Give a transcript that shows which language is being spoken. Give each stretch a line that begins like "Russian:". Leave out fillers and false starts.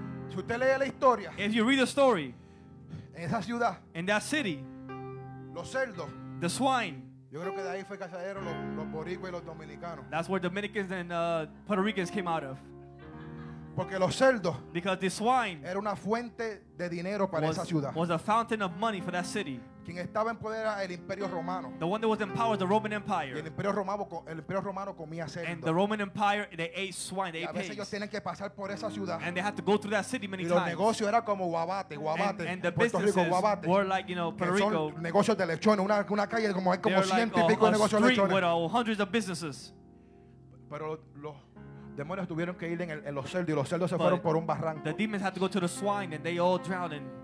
English: If you read the story in that city, the swine, that's where Dominicans and Puerto Ricans came out of.
Spanish: Porque los cerdos,
English: because the swine
Spanish: era una fuente de dinero para esa ciudad,
English: was a fountain of money for that city.
Spanish: Quien estaba en poder era el Imperio Romano.
English: The one that was in power was the Roman Empire.
Spanish: Y el Imperio Romano comía cerdo.
English: And the Roman Empire, they ate swine, they ate pigs.
Spanish: A veces ellos tienen que pasar por esa ciudad.
English: And they had to go through that city many times.
Spanish: Y los negocios eran como guabate, guabate.
English: And the businesses were like, you know, Puerto Rico.
Spanish: Son negocios de lechones, una calle como hay como ciento y pico de negocios de lechones.
English: With hundreds of businesses.
Spanish: Pero los demonios tuvieron que ir en los cerdos y los cerdos se fueron por un barranco.
English: The demons had to go to the swine and they all drowned.